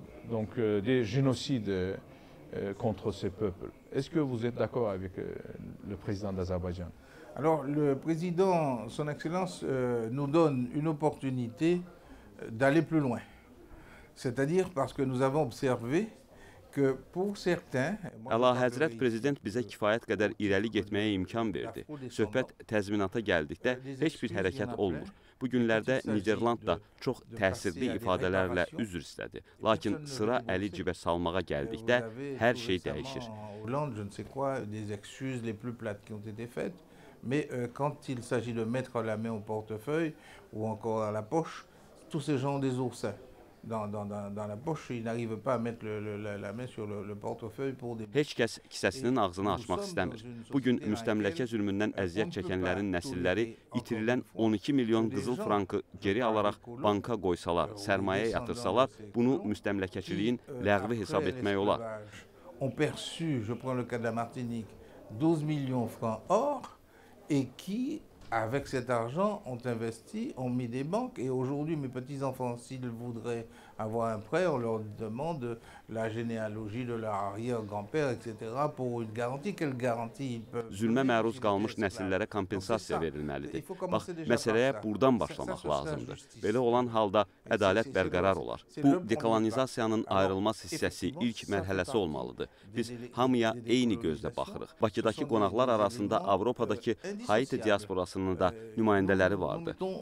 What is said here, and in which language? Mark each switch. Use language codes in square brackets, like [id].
[fr] Donc des génocides contre ces peuples. Est-ce que vous êtes d'accord avec le président d'Azerbaïdjan? Alors le président, son excellence, nous donne une opportunité d'aller plus loin. C'est-à-dire parce que nous avons observé que pour certains, [az] Əlahəzrət prezident bizə kifayət qədər irəli getməyə imkan verdi. Söhbət təzminata gəldikdə heç bir hərəkət olmur. Bu günlərdə Niderland da çox təsirli ifadələrlə üzr istədi. Lakin sıra əli cibə salmağa gəldikdə hər şey dəyişir. [fr] Je ne sais quoi des excuses les plus plates qui ont été faites, mais quand il s'agit de mettre la main au portefeuille ou encore à la poche, tous ces gens ont des oursins dans la poche, ils n'arrivent pas à mettre la main sur le portefeuille pour des [az] Heç kəs kisəsinin ağzını açmaq istəmir. Bu gün müstəmləkə zülmündən əziyyət çəkənlərin nəsilləri itirilən 12 milyon qızıl frankı geri alaraq banka qoysalar, sərmayə yatırsalar, bunu müstəmləkəçiliyin ləğvi hesab etmək olar. [fr] On perçu, je prends le cas de la Martinique, 12 millions francs or et qui avec cet argent ont investi, ont mis des banques et aujourd'hui mes petits-enfants s'ils voudraient avoir un prêt, on leur demande la généalogie de leur arrière-grand-père, etc. pour une garantie, quelle garantie ils peuvent... [az] Zülme məruz qalmış nəsillərə kompensasiya verilməlidir. Bax, məsələyə buradan başlamaq lazımdır. Belə olan halda ədalət bərqərar olar. Bu, dekolonizasiyanın ayrılmaz hissəsi, ilk mərhələsi olmalıdır. Biz hamıya eyni gözlə baxırıq. Bakıdakı qonaqlar arasında Avropadakı Haiti diasporasının da nümayəndələri vardı.